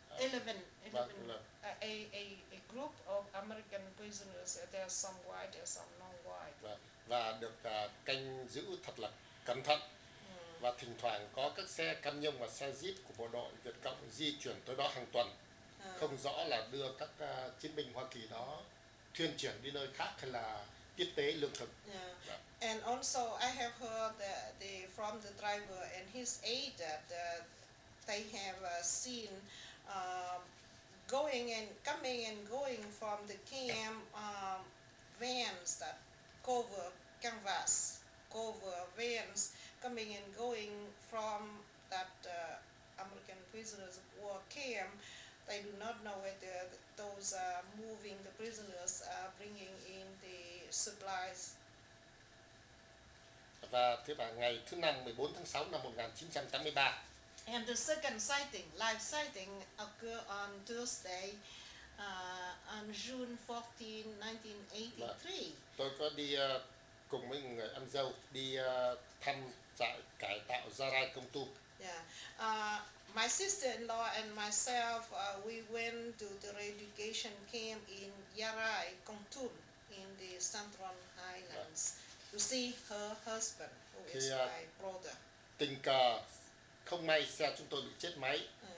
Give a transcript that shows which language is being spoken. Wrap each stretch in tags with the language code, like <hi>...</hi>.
<en>11, a group of American prisoners. There are some white, there are some non-white.</en> <vi>Và được canh giữ thật là cẩn thận. Và thỉnh thoảng có các xe cam nhông và xe jeep của bộ đội Việt Cộng di chuyển tới đó hàng tuần. Không rõ là đưa các chiến binh Hoa Kỳ đó thuyên chuyển đi nơi khác hay là tiếp tế lương thực.</vi> <en>Yeah. And also I have heard that from the driver and his aide that they have seen going and coming and going from the camp vans that cover canvas, cover vans coming and going from that American prisoners of war camp. They do not know whether those are moving the prisoners are bringing in the supplies.</en> <vi>Và thế vào ngày thứ năm 14 tháng 6 năm 1983.</vi> <en>And the second sighting, live sighting, occurred on Thursday, on June 14, 1983.</en> <vi>Tôi có đi cùng với người em dâu đi thăm trại cải tạo Gia Rai Công Tu.</vi> <en>Yeah. My sister-in-law and myself, we went to the re-education camp in Gia Rai, Kon Tum, in the Central Highlands, to see her husband, who is my brother.</en> <vi>Tình cờ, không may xe chúng tôi bị chết máy.</vi>